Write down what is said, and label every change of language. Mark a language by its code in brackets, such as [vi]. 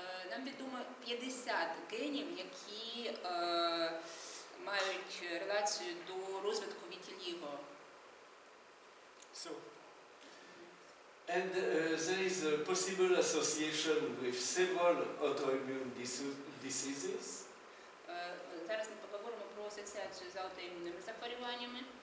[uk] Нам відомо 50 генів, які мають релацію до розвитку вітіліго. [en] So, and there is a possible association with several autoimmune diseases. [uk] Зараз ми поговоримо про асоціацію з аутоімунними захворюваннями.